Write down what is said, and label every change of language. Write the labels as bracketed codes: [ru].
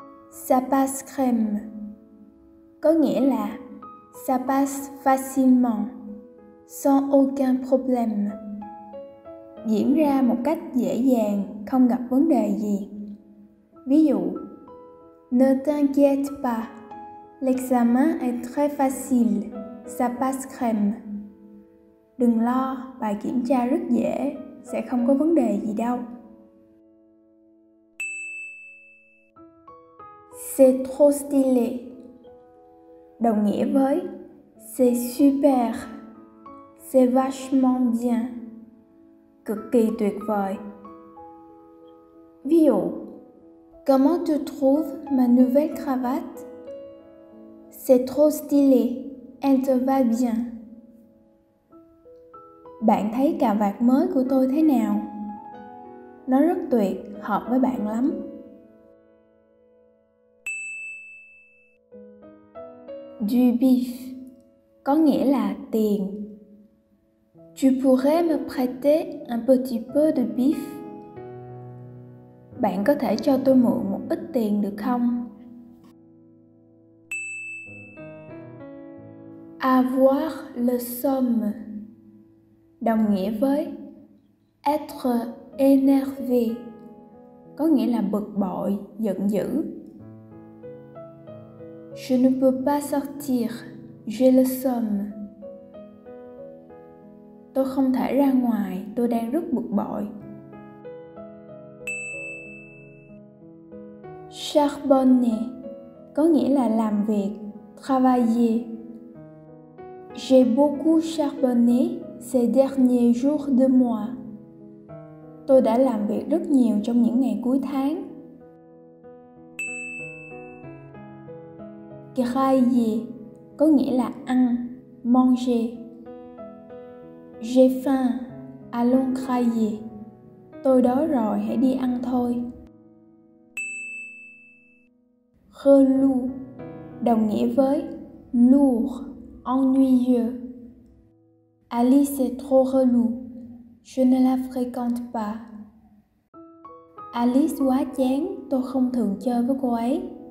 [fr] Ça passe crème, [vi] có nghĩa là [fr] ça passe facilement, sans aucun problème, [vi] diễn ra một cách dễ dàng, không gặp vấn đề gì. Ví dụ, [fr] ne t'inquiète pas, l'examen est très facile, ça passe crème. [vi] Đừng lo, bài kiểm tra rất dễ, sẽ không có vấn đề gì đâu. [fr] C'est trop stylé, [vi] đồng nghĩa với [fr] c'est super, c'est vachement bien, [vi] cực kỳ tuyệt vời. Ví dụ, [fr] comment tu trouves ma nouvelle cravate? C'est trop stylé, elle te va bien. [vi] Bạn thấy cà vạt mới của tôi thế nào? Nó rất tuyệt, hợp với bạn lắm. Du bif, có nghĩa là tiền. [fr] Tu pourrais me prêter un petit peu de bif? [vi] Bạn có thể cho tôi mượn một ít tiền được không? [fr] Avoir le somme, [vi] đồng nghĩa với [fr] être énervé, [vi] có nghĩa là bực bội, giận dữ. [fr] Je ne peux pas sortir, j'ai le somme. [vi] Tôi không thể ra ngoài, tôi đang rất bực bội. Charbonner, có nghĩa là làm việc, travailler. [fr] J'ai beaucoup charbonné ces derniers jours de mois. [vi] Tôi đã làm việc rất nhiều trong những ngày cuối tháng. Grailler, có nghĩa là ăn, manger. [fr] J'ai faim, allons grailler. [vi] Tôi đói rồi, hãy đi ăn thôi. Relou, đồng nghĩa với lourd, ennuyeux. [fr] Alice est trop relou, je ne la fréquente pas. [vi] Alice quá chán, tôi không thường chơi với cô ấy.